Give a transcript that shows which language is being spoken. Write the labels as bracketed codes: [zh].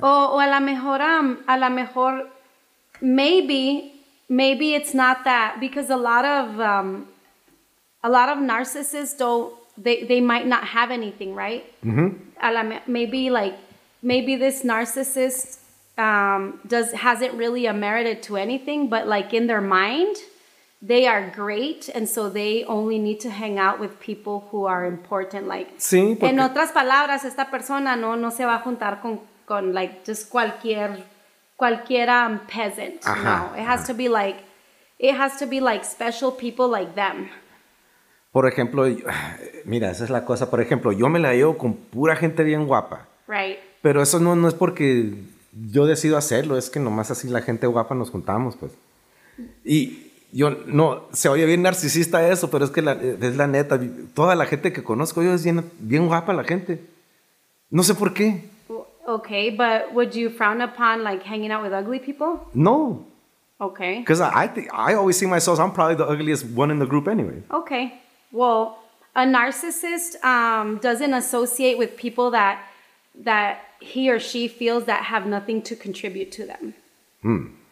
[es] O a lo mejor, [en] maybe it's not that, because a lot of narcissists they might not have anything, right? Mm-hmm. Maybe this narcissist hasn't really merited to anything, but like in their mind, they are great, and so they only need to hang out with people who are important. Like, [es] sí, en otras palabras, esta persona no se va a juntar con like just cualquiera peasant. [en] Ajá, no, it has to be like special people like them. [es] Por ejemplo, mira, esa es la cosa. Por ejemplo, yo me la llevo con pura gente bien guapa. [en] Right. [es] Pero eso no es porque yo decido hacerlo, es que nomás así la gente guapa nos juntamos, pues. Y yo, no, se oye bien narcisista eso, pero es que es la neta, toda la gente que conozco, yo es bien, bien guapa la gente. No sé por qué. [en] Okay, but would you frown upon like hanging out with ugly people? No. Okay. Because I always see myself, I'm probably the ugliest one in the group anyway. Okay. Well, a narcissist doesn't associate with people that he or she feels that have nothing to contribute to them.